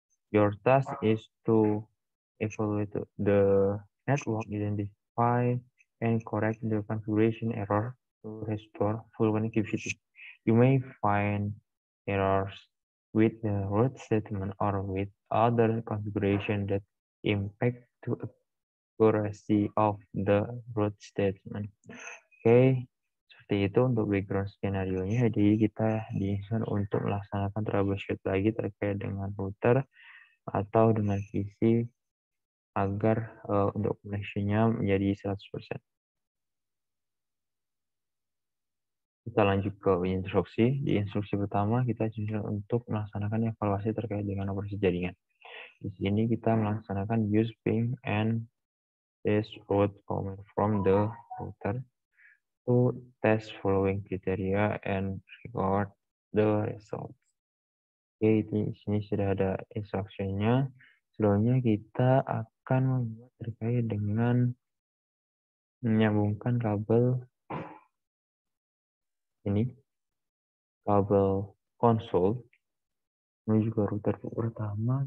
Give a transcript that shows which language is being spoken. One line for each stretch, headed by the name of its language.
English: Your task is to evaluate the network, identify and correct the configuration error to restore full connectivity. You may find errors with the root statement or with other configuration that impact to accuracy of the root statement. Okay.
Indonesian: Seperti itu untuk background skenario nya. Jadi kita diinstal untuk melaksanakan troubleshoot lagi terkait dengan router atau dengan PC agar untuk connection-nya menjadi 100%. Kita lanjut ke instruksi. Di instruksi pertama, kita diminta untuk melaksanakan evaluasi terkait dengan operasi jaringan.
English: Di sini kita melaksanakan use ping and test route command from the router to test following criteria and record the result.
Indonesian: Oke, di sini sudah ada instruksinya. Sebelumnya kita akan membuat terkait dengan menyambungkan kabel ini, kabel konsol menuju ke router pertama.